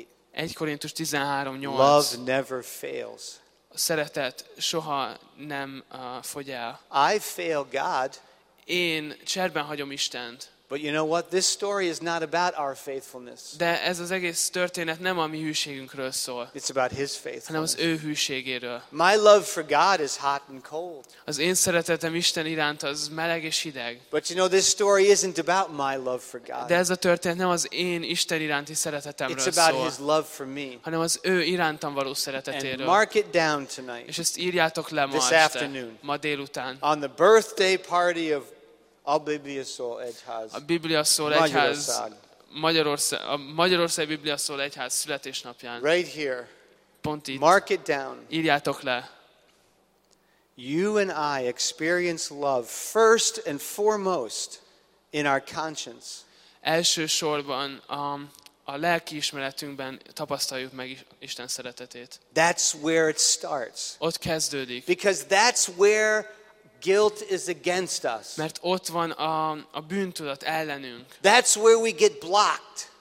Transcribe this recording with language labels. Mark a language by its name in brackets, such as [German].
[Hungarian] 1 Korintus 13:8. A szeretet soha nem fogy el. [English] I fail God. [Hungarian] Én cserben hagyom Istent. [English] But you know what? This story is not about our faithfulness. [Hungarian] De ez az egész történet nem a mi hűségünkről szól. [English] It's about his faith. [Hungarian] Hanem az ő hűségéről. [English] My love for God is hot and cold. [Hungarian] Az én szeretetem Isten iránt az meleg és hideg. [English] But you know this story isn't about my love for God. [Hungarian] De ez a történet nem az én Isten iránti szeretetemről [English] It's about [Hungarian] szól. [English] His love for me. [Hungarian] Hanem az ő irántam való szeretetéről. [English] And mark it down tonight. [Hungarian] És ezt írjátok le ma [English] this [Hungarian] este, [English] afternoon. [Hungarian] Ma délután. [English] On the birthday party of a Biblia szól egyház [Hungarian] Magyarország Biblia szól egyház születésnapján. [English] Right here. [Hungarian] Pont itt. [English] Mark it down. [Hungarian] Írjátok le. [English] You and I experience love first and foremost in our conscience. [Hungarian] Elsősorban a lelkiismeretünkben tapasztaljuk meg Isten szeretetét. [English] That's where it starts. [Hungarian] Ott kezdődik. [English] Because that's where guilt is against us. [Hungarian] Mert ott van a bűntudat ellenünk. [English] That's where we get blocked.